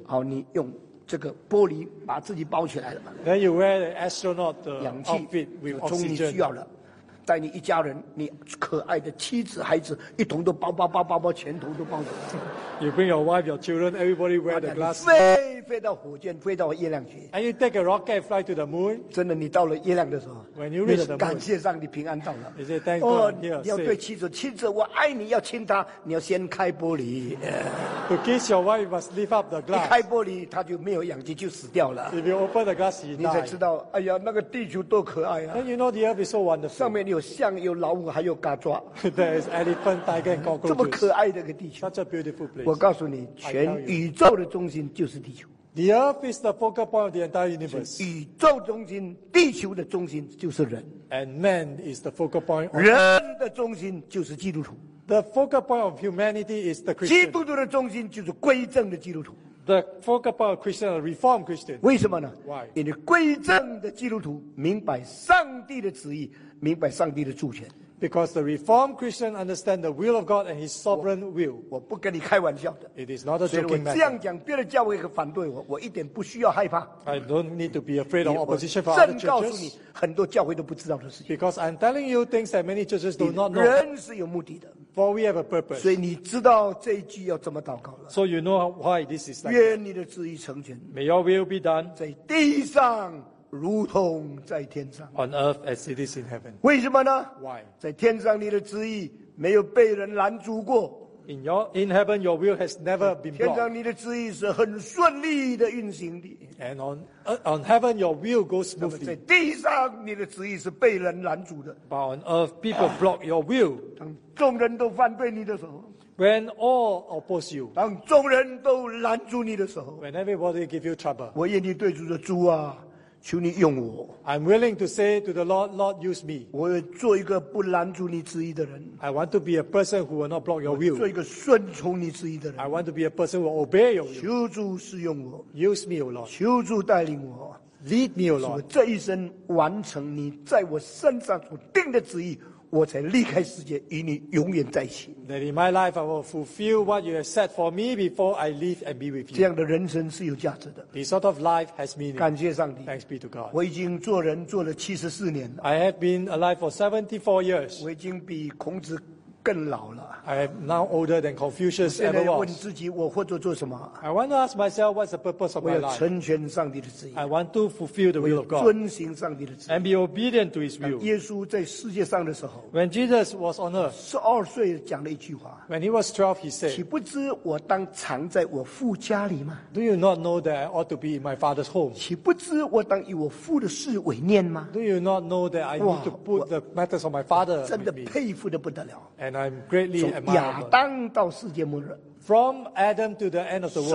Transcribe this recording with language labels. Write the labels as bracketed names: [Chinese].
[Chinese] 好，你用这个玻璃把自己包起来了嘛？ [English] Then you wear the astronaut outfit with oxygen. [Chinese] 你需要了。带你一家人，你可爱的妻子孩子一同都包包包包包，全头都包走。 [English] You bring your wife, your children, everybody wear the glass. [Chinese] 飞到火箭，飞到月亮去。 [English] And you take a rocket, fly to the moon. [Chinese] 真的，你到了月亮的时候， [English] when you reach the moon, [Chinese] 感谢上帝平安到了。 [English] You say thank God. [Chinese] 你要对妻子，妻子我爱你，要亲她，你要先开玻璃。 [English] To kiss your wife, you must lift up the glass. [Chinese] 一开玻璃，她就没有氧气，就死掉了。 [English] If you open the glass, she dies. [Chinese] 你才知道，哎呀，那个地球多可爱啊。 [English] Then you know the earth is so wonderful. [Chinese] 上面有象，有老虎，还有嘎抓。 [English] There is elephant, tiger, and cockroaches. [Chinese] 这么可爱的一个地球。 [English] Such a beautiful place. [Chinese] 我告诉你，全宇宙的中心就是地球。 [English] The earth is the focal point of the entire universe. [Chinese] 宇宙中心，地球的中心就是人。 [English] And man is the focal point. [Chinese] 人的中心就是基督徒。 [English] The focal point of humanity is the Christian. [Chinese] 基督徒的中心就是归正的基督徒。 [English] The focal point of Christian, the Reformed Christian. [Chinese] 为什么呢？ [English] Why? [Chinese] 因为归正的基督徒明白上帝的旨意，明白上帝的主权。 [English] Because the Reformed Christian understand the will of God and His sovereign will. [Chinese] 我不跟你开玩笑的。 [English] It is not a joking matter. [Chinese] 所以我这样讲，别的教会会反对我，我一点不需要害怕。 [English] I don't need to be afraid of opposition from other churches. [Chinese] 正告诉你，很多教会都不知道的事情。 [English] Because I'm telling you things that many churches do not know. [Chinese] 人是有目的的。 [English] For we have a purpose. [Chinese] 所以你知道这一句要怎么祷告了。 [English] So you know why this is like. [Chinese] 愿你的旨意成全。 [English] May your will be done. [Chinese] 在地上。如同在天上。 [English] On earth as it is in heaven. [Chinese] 为什么呢？ [English] Why? [Chinese] 在天上你的旨意没有被人拦阻过。 [English] In heaven your will has never been blocked. [Chinese] 天上你的旨意是很顺利的运行的。 [English] And on heaven your will goes smoothly. [Chinese] 在地上你的旨意是被人拦阻的。 [English] But on earth people block your will. [Chinese] 当众人都反对你的时候。 [English] When all oppose you, [Chinese] 当众人都拦阻你的时候。 [English] When everybody give you trouble. [Chinese] 我愿意对主说，主啊，求你用我。 [English] I'm willing to say to the Lord, Lord, use me. [Chinese] 我做一个不拦阻你旨意的人。 [English] I want to be a person who will not block your will. [Chinese] 做一个顺从你旨意的人。 [English] I want to be a person who will obey your will. [Chinese] 求主使用我。 [English] Use me, O Lord. [Chinese] 求主带领我。 [English] Lead me, O Lord. [Chinese] 使我这一生完成你在我身上所定的旨意，我才离开世界与你永远在一起。 [English] That in my life I will fulfill what you have set for me before I leave and be with you. [Chinese] 这样的人生是有价值的。 [English] This sort of life has meaning. [Chinese] 感谢上帝。 [English] Thanks be to God. [Chinese] 我已经做人做了74年了。 [English] I have been alive for 74 years. [Chinese] 我已经比孔子更老了。 [English] I am now older than Confucius ever was. [Chinese] 我现在问自己，我或者做什么 [English] ？I want to ask myself what's the purpose of my life. [Chinese] 我要成全上帝的旨意。 [English] I want to fulfill the will of God. [Chinese] 遵行上帝的旨意。 [English] And be obedient to His will. [Chinese] 耶稣在世界上的时候 [English] ，When Jesus was on earth, [Chinese] 12岁讲了一句话。 [English] When he was 12, he said, [Chinese] 岂不知我当藏在我父家里吗 [English] ？Do you not know that I ought to be in my father's home? [Chinese] 岂不知我当以我父的事为念吗 [English] ？Do you not know that I need to put the matters of my father? [Chinese] 真的佩服得不得了。 [English] And I'm greatly admired. [Chinese] 从亚当到世界末日 [English] ，From Adam to the end of the world.